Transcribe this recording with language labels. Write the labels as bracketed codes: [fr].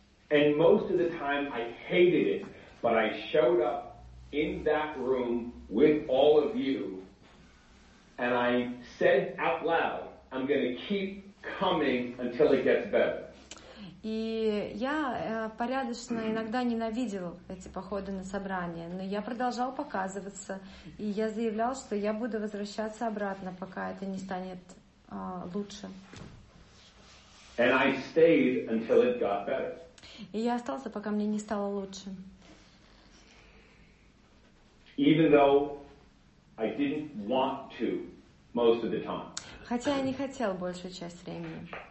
[en] And most of the time I hated it, but I showed up in that room with all of you, and I said out loud, I'm going to keep coming until it gets better. [ru] И я порядочно иногда ненавидел эти походы на собрания, но я продолжал показываться, и я заявлял, что я буду возвращаться обратно, пока это не станет лучше. [en] And I stayed until it got better. [ru] И я остался, пока мне не стало лучше. [en] Even though I didn't want to most of the time. [ru] Хотя я не хотел большую часть времени.